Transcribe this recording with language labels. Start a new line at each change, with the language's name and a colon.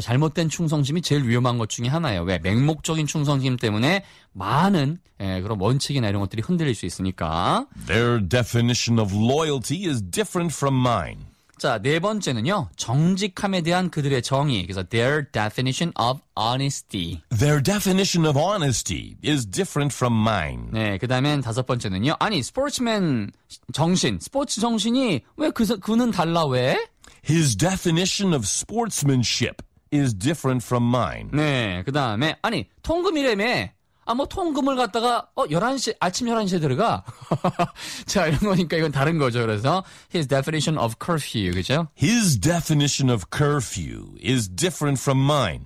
Korean: 잘못된 충성심이 제일 위험한 것 중에 하나예요. 왜? 맹목적인 충성심 때문에 많은 그런 원칙이나 이런 것들이 흔들릴 수 있으니까.
English: Their definition of loyalty is different from mine.
Korean: 자, 네 번째는요. 정직함에 대한 그들의 정의. 그래서
English: their definition of honesty. Their definition of honesty is different from mine.
Korean: 네, 그다음엔 다섯 번째는요. 아니, 스포츠맨 정신. 스포츠 정신이 왜 그는 달라 왜?
English: His definition of sportsmanship is different from mine.
Korean: 네, 그다음에 아니, 통금이래매. 아, 뭐, 통금을 갔다가, 11시, 아침 11시에 들어가? 자, 이런 거니까 이건 다른 거죠. 그래서,
English: his definition of curfew,
Korean: 그죠?
English: His definition of curfew is different from mine.